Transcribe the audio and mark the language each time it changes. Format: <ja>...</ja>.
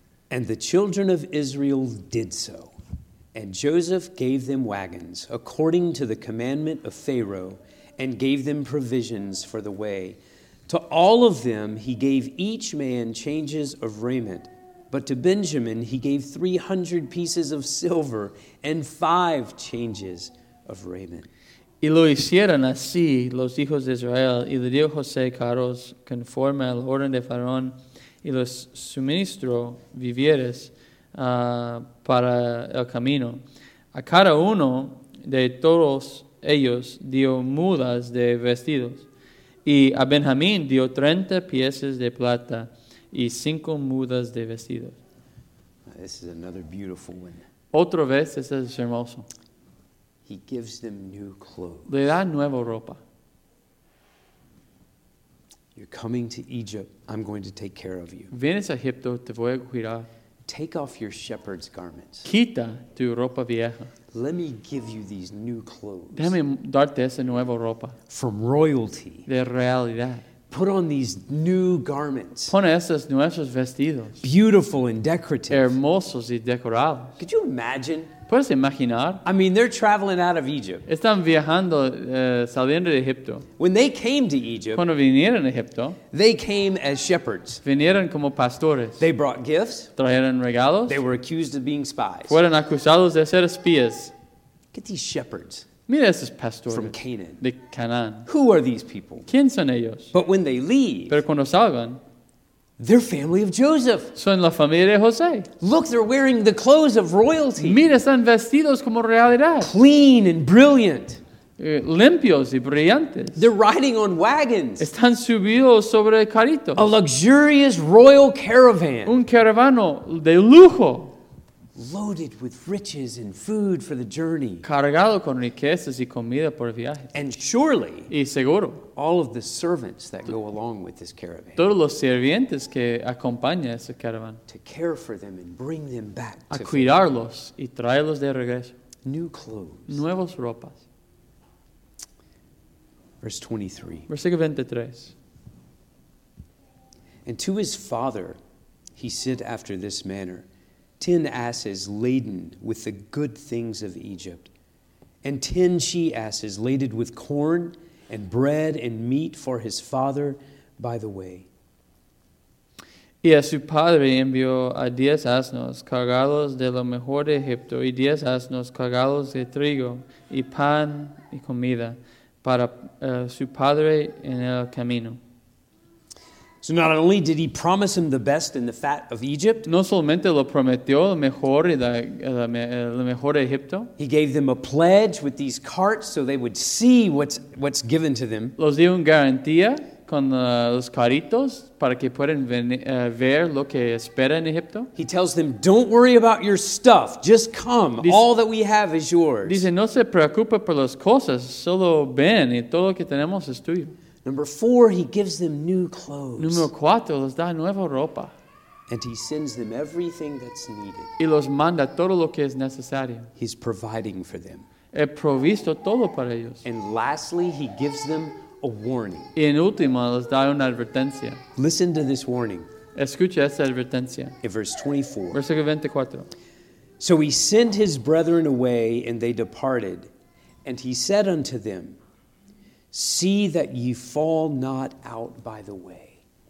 <en>And the children of Israel did so. And Joseph gave them wagons according to the commandment of Pharaoh and gave them provisions for the way. To all of them he gave each man changes of raiment. But to Benjamin he gave 300 pieces of silver and 5 changes of raiment.</en> <es>Y lo hicieron así los hijos de Israel, y le dio José carros conforme al orden de Faraón, y los suministró vivieres para el camino. A cada uno de todos ellos dio mudas de vestidos, y a Benjamín dio 30 piezas de plata y 5 mudas de vestidos.</es> <en>This is another beautiful one.</en> <es>Otra vez, este es hermoso.</es> <en>He gives them new clothes.</en> <es>Le da nueva ropa.</es> <en>You're coming to Egypt. I'm going to take care of you.</en> <es>Vienes a Egipto, te voy a cuidar.</es> <en>Take off your shepherd's garments.</en> <es>Quita tu ropa vieja.</es> <en>Let me give you these new clothes.</en> <es>Déjame darte esa nueva ropa.</es> <en>From royalty.</en> <es>De realidad.</es> <en>Put on these new garments.</en> <es>Pon esos nuestros vestidos.</es> <en>Beautiful and decorative.</en> <es>Hermosos y decorados.</es> <en>Could you imagine?</en> <es>¿Puedes imaginar?</es> <en>I mean, they're traveling out of Egypt.</en> <es>Están viajando, saliendo de Egipto.</es> <en>When they came to Egypt,</en> <es>cuando vinieron a Egipto,</es> <en>they came as shepherds.</en> <es>Vinieron como pastores.</es> <en>They brought gifts.</en> <es>Trajeron regalos.</es> <en>They were accused of being spies.</en> <es>Fueron acusados de ser espías.</es> <en>Look at these shepherds.</en> <es>Mira esos pastores.</es> <en>From Canaan.</en> <es>De Canaan.</es> <en>Who are these people?</en> <es>¿Quién son ellos?</es> <en>But when they leave,</en> <es>pero cuando salgan,</es> <en>they're family of Joseph.</en> <es>Son la familia de José.</es> <en>Look, they're wearing the clothes of royalty.</en> <es>Mira, están vestidos como realidad.</es> <en>Clean and brilliant.</en> <es>Limpios y brillantes.</es> <en>They're riding on wagons.</en> <es>Están subidos sobre carritos.</es> <en>A luxurious royal caravan.</en> <es>Un caravano de lujo.</es> <en>Loaded with riches and food for the journey.</en> <es>Cargado con riquezas y comida por el viaje.</es> <en>And surely,</en> <es>y seguro,</es> <en>all of the servants that go along with this caravan.</en> <es>Todos los sirvientes que acompaña ese caravan.</es> <en>To care for them and bring them back.</en> <es>A cuidarlos y traerlos de regreso.</es> <en>New clothes.</en> <es>Nuevos ropas.</es> <en>Verse 23.</en> <es>Versículo 23.</es> <en>And to his father, he sent after this manner 10 asses laden with the good things of Egypt, and 10 she-asses laden with corn and bread and meat for his father by the way.</en> <es>Y a su padre envió a 10 asnos cargados de lo mejor de Egipto y 10 asnos cargados de trigo y pan y comida para su padre en el camino.</es> <en>So not only did he promise him the best and the fat of Egypt,</en> <es>no solamente lo prometió lo mejor y lo mejor de Egipto,</es> <en>he gave them a pledge with these carts so they would see what's given to them.</en> <es>Los dio una garantía con los caritos para que puedan ver lo que espera en Egipto.</es> <en>He tells them, don't worry about your stuff, just come, all that we have is yours.</en> <es>Dice, no se preocupe por las cosas, solo ven y todo lo que tenemos es tuyo.</es> <en>Number 4, he gives them new clothes.</en> <es>Número 4, les da nueva ropa.</es> <en>And he sends them everything that's needed.</en> <es>Y los manda todo lo que es necesario.</es> <en>He's providing for them.</en> <es>He provisto todo para ellos.</es> <en>And lastly, he gives them a warning.</en> <es>Y en último, les da una advertencia.</es> <en>Listen to this warning.</en> <es>Escucha esta advertencia.</es> <en>In verse 24.</en> <es>Versículo 24.</es> <en>So he sent his brethren away, and they departed. And he said unto them, see that ye fall not out by the way.</en>